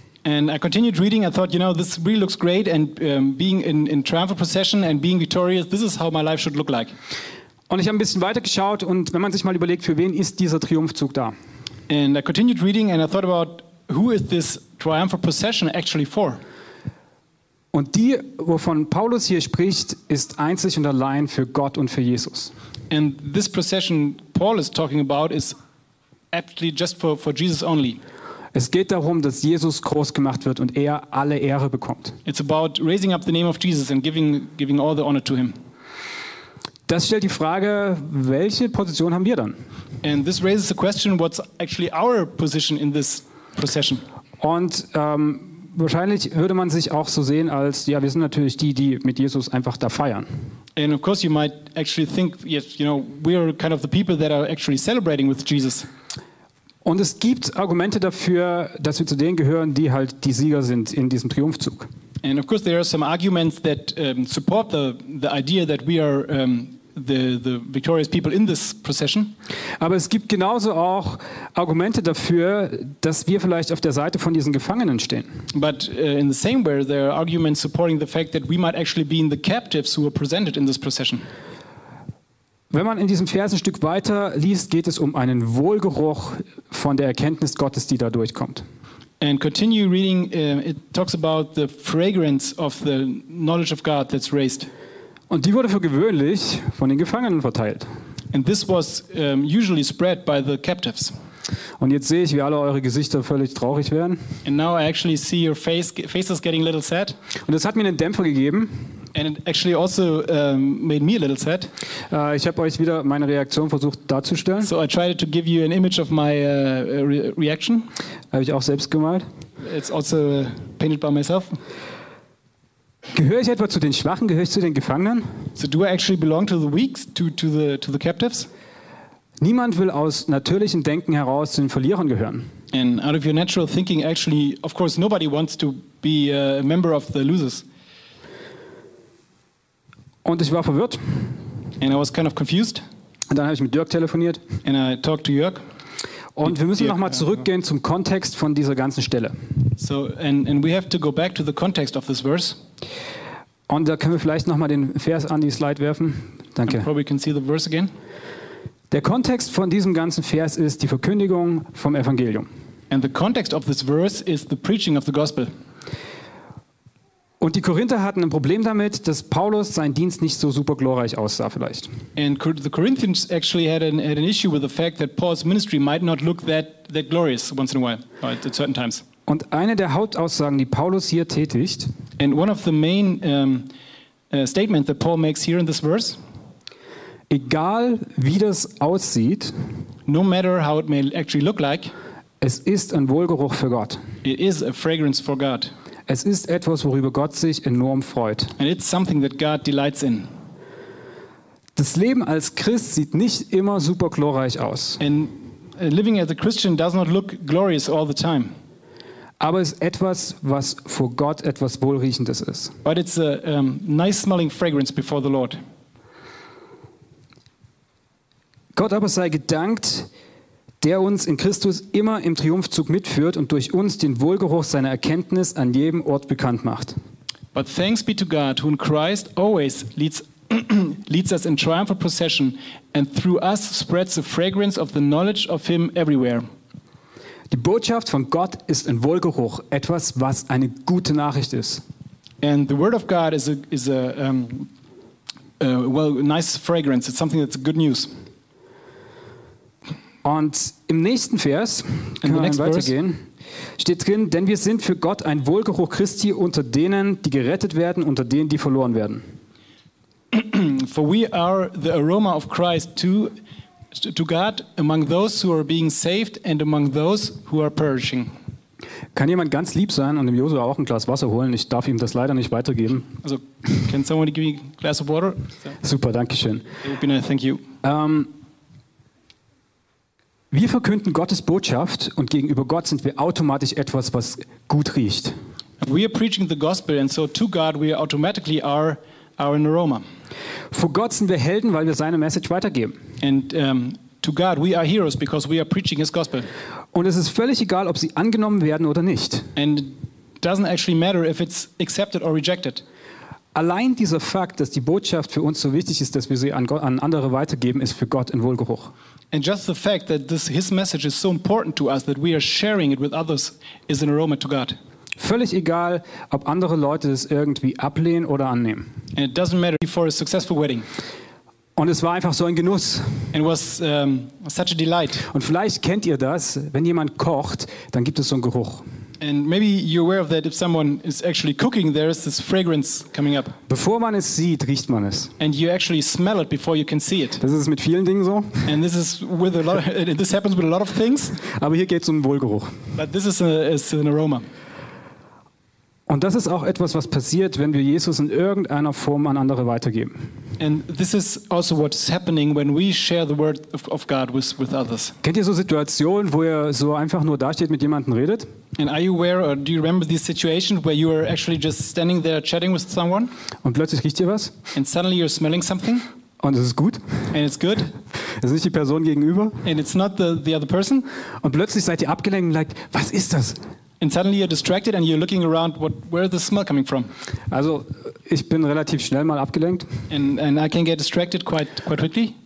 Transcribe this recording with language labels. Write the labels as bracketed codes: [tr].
[en] And I continued reading. I thought, you know, this really looks great. And being in triumphal procession and being victorious, this is how my life should look like. [de] Und ich habe ein bisschen weiter geschaut. Und wenn man sich mal überlegt, für wen ist dieser Triumphzug da? [en] And I continued reading and I thought about who is this triumphal procession actually for? [de] Und die, wovon Paulus hier spricht, ist einzig und allein für Gott und für Jesus. [en] And this procession Paul is talking about is actually just for Jesus only. [de] Es geht darum, dass Jesus groß gemacht wird und er alle Ehre bekommt. [en] It's about raising up the name of Jesus and giving all the honor to him. [de] Das stellt die Frage, welche Position haben wir dann? [en] And this raises the question, what's actually our position in this procession? [de] Und wahrscheinlich würde man sich auch so sehen als, ja, wir sind natürlich die, die mit Jesus einfach da feiern. [en] And of course you might actually think, yes, you know, we are kind of the people that are actually celebrating with Jesus. [de] Und es gibt Argumente dafür, dass wir zu denen gehören, die halt die Sieger sind in diesem Triumphzug. [en] And of course there are some arguments that support the idea that we are the victorious people in this procession. [de] Aber es gibt genauso auch Argumente dafür, dass wir vielleicht auf der Seite von diesen Gefangenen stehen. [en] But in the same way there are arguments supporting the fact that we might actually be in the captives who are presented in this procession. [de] Wenn man in diesem Vers ein Stück weiter liest, geht es um einen Wohlgeruch von der Erkenntnis Gottes, die da durchkommt. [en] And continue reading, it talks about the fragrance of the knowledge of God that's raised. [de] Und die wurde für gewöhnlich von den Gefangenen verteilt. [en] And this was usually spread by the captives. [de] Und jetzt sehe ich, wie alle eure Gesichter völlig traurig werden. [en] And now I actually see your faces getting a little sad. [de] Und das hat mir einen Dämpfer gegeben. [en] And it actually also made me a little sad. [de] Ich habe euch wieder meine Reaktion versucht darzustellen. [en] So I tried to give you an image of my reaction. [de] Habe ich auch selbst gemalt. [en] It's also painted by myself. [de] Gehöre ich etwa zu den Schwachen? Gehöre ich zu den Gefangenen? [en] So do I actually belong to the weak, to the captives? [de] Niemand will aus natürlichem Denken heraus zu den Verlierern gehören. [en] And out of your natural thinking, actually, of course, nobody wants to be a member of the losers. [de] Und ich war verwirrt. [en] And I was kind of confused. [de] Und dann habe ich mit Jörg telefoniert. [en] And I talked to Jörg. [de] Und wir müssen nochmal zurückgehen zum Kontext von dieser ganzen Stelle. [en] So, and we have to go back to the context of this verse. [de] Und da können wir vielleicht nochmal den Vers an die Slide werfen. Danke. [en] And probably can see the verse again. [de] Der Kontext von diesem ganzen Vers ist die Verkündigung vom Evangelium. [en] And the context of this verse is the preaching of the gospel. [de] Und die Korinther hatten ein Problem damit, dass Paulus seinen Dienst nicht so super glorreich aussah vielleicht. [en] And the Corinthians actually had an issue with the fact that Paul's ministry might not look that glorious once in a while, right, at certain times. [de] Und eine der Hauptaussagen, die Paulus hier tätigt, [en] and one of the main statements that Paul makes here in this verse, [de] egal wie das aussieht, [en] no matter how it may actually look like, [de] es ist ein Wohlgeruch für Gott. [en] It is a fragrance for God. [de] Es ist etwas, worüber Gott sich enorm freut. [en] And it's something that God delights in. [de] Das Leben als Christ sieht nicht immer super glorreich aus. [en] And living as a Christian does not look glorious all the time. [de] Aber es ist etwas, was vor Gott etwas Wohlriechendes ist. [en] But it's a nice smelling fragrance before the Lord. [de] Gott aber sei gedankt, der uns in Christus immer im Triumphzug mitführt und durch uns den Wohlgeruch seiner Erkenntnis an jedem Ort bekannt macht. [en] But thanks be to God, who in Christ always leads us in triumphal procession and through us spreads the fragrance of the knowledge of him everywhere. [de] Die Botschaft von Gott ist ein Wohlgeruch, etwas, was eine gute Nachricht ist. [en] And the word of God is a nice fragrance. It's something that's good news. [de] Und im nächsten Vers, weitergehen, steht drin, denn wir sind für Gott ein Wohlgeruch Christi unter denen, die gerettet werden, unter denen, die verloren werden. [en] For we are the aroma of Christ to God among those who are being saved and among those who are perishing. [de] Kann jemand ganz lieb sein und dem Joshua auch ein Glas Wasser holen? Ich darf ihm das leider nicht weitergeben. [en] Also, can someone give me a glass of water? [de] So. Super, danke schön. [en] It would be nice, thank you. [de] Wir verkünden Gottes Botschaft und gegenüber Gott sind wir automatisch etwas, was gut riecht. [en] We are preaching the gospel and so to God we automatically are our aroma. [de] Vor Gott sind wir Helden, weil wir seine Message weitergeben. [en] And to God we are heroes because we are preaching his gospel. [de] Und es ist völlig egal, ob sie angenommen werden oder nicht. [en] And it doesn't actually matter if it's accepted or rejected. [de] Allein dieser Fakt, dass die Botschaft für uns so wichtig ist, dass wir sie an andere weitergeben, ist für Gott ein Wohlgeruch. [en] And just the fact that his message is so important to us that we are sharing it with others is an aroma to God. [de] Völlig egal, ob andere Leute es irgendwie ablehnen oder annehmen. [en] And it doesn't matter for a successful wedding. [de] Und es war einfach so ein Genuss. [en] It was such a delight. [de] Und vielleicht kennt ihr das, wenn jemand kocht, dann gibt es so einen Geruch. [en] And maybe you're aware of that if someone is actually cooking, there is this fragrance coming up. [de] Bevor man es sieht, riecht man es. [en] And you actually smell it before you can see it. [de] Das ist mit vielen Dingen so. [en] And this happens with a lot of things. [de] Aber hier geht es um einen Wohlgeruch. [en] But this is an aroma. [de] Und das ist auch etwas, was passiert, wenn wir Jesus in irgendeiner Form an andere weitergeben. [en] And this is also what is happening when we share the word of God with others. [de] Kennt ihr so Situationen, wo ihr so einfach nur dasteht, mit jemandem redet? [en] And are you aware or do you remember these situations where you are actually just standing there chatting with someone? [de] Und plötzlich riecht ihr was? [en] And suddenly you're smelling something? [de] Und es ist gut. [en] And it's good. [de] Es ist nicht die Person gegenüber. [en] And it's not the other person. [de] Und plötzlich seid ihr abgelenkt und like, was ist das? [en] And suddenly you're distracted and you're looking around, where is the smell coming from? [de] Also, ich bin relativ schnell mal abgelenkt. [en] And I can get distracted quite quickly.